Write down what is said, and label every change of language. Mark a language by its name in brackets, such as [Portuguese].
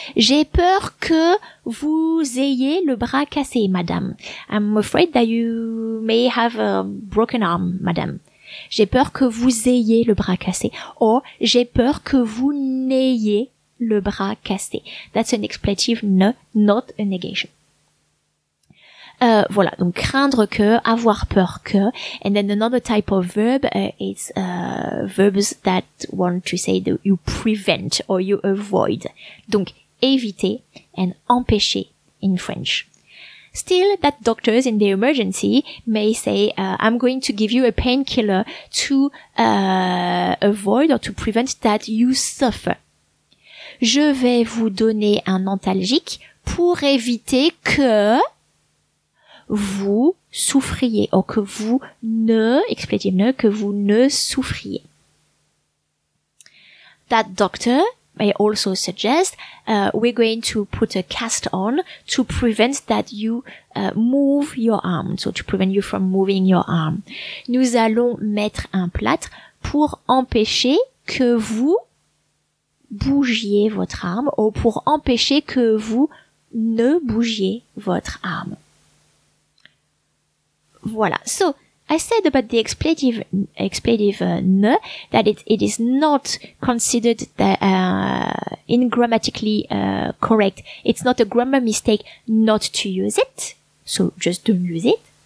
[French] J'ai peur que vous ayez le bras cassé, madame. [English] I'm afraid that you may have a broken arm, madame. [French] J'ai peur que vous ayez le bras cassé. Or, j'ai peur que vous n'ayez le bras cassé. [English] That's an expletive ne, not a negation. [French] Voilà, donc craindre que, avoir peur que, [English] and then another type of verb, it's verbs that want to say that you prevent or you avoid. Donc éviter and empêcher in French. Still, that doctors in the emergency may say, I'm going to give you a painkiller to avoid or to prevent that you suffer. [French] Je vais vous donner un antalgique pour éviter que vous souffriez, ou que vous ne, expletive ne, que vous ne souffriez. [English] That doctor may also suggest, we're going to put a cast on to prevent that you move your arm, so to prevent you from moving your arm. [French] Nous allons mettre un plâtre pour empêcher que vous bougiez votre arme, ou pour empêcher que vous ne bougiez votre arme. Voilà. [English] So, I said about the expletive ne, that it is not considered that, in grammatically correct. It's not a grammar mistake not to use it. So, just don't use it.